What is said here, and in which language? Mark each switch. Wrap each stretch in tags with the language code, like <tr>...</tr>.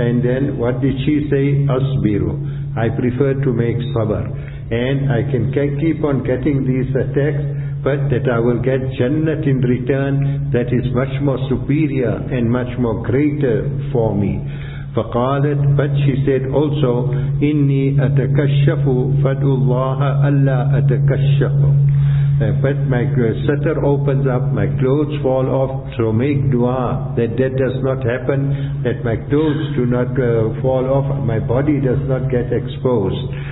<en>And then what did she say?</en> <ar>أَصْبِرُ.</ar> <en>I prefer to make sabr, and I can keep on getting these attacks, but that I will get Jannat in return, that is much more superior and much more greater for me.</en> <ar>فَقَالَتْ.</ar> <en>But she said also,</en> <ar>إِنِّي أَتَكَشَّفُ فَدُوا اللَّهَ أَلَّا أَتَكَشَّفُ.</ar> <en>But my satr opens up, my clothes fall off, so make dua that that does not happen, that my clothes do not fall off, my body does not get exposed.</en>